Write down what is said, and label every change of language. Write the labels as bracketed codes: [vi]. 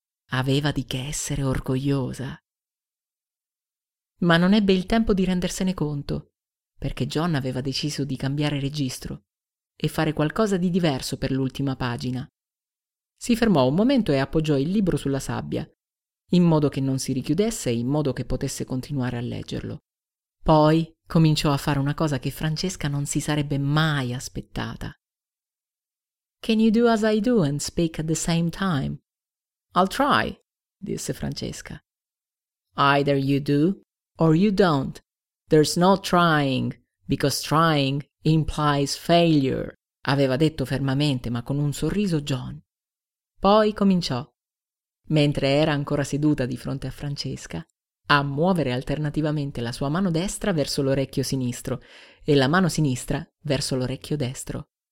[it] Aveva di che essere orgogliosa. Ma non ebbe il tempo di rendersene conto, perché John aveva deciso di cambiare registro e fare qualcosa di diverso per l'ultima pagina. Si fermò un momento e appoggiò il libro sulla sabbia, in modo che non si richiudesse e in modo che potesse continuare a leggerlo. Poi cominciò a fare una cosa che Francesca non si sarebbe mai aspettata. [en] «Can you do as I do and speak at the same time?» «I'll try», [it] disse Francesca. [en] «Either you do or you don't. There's no trying, because trying implies failure», [it] aveva detto fermamente ma con un sorriso John. Poi cominciò, mentre era ancora seduta di fronte a Francesca, a muovere alternativamente la sua mano destra verso l'orecchio sinistro e la mano sinistra verso l'orecchio destro.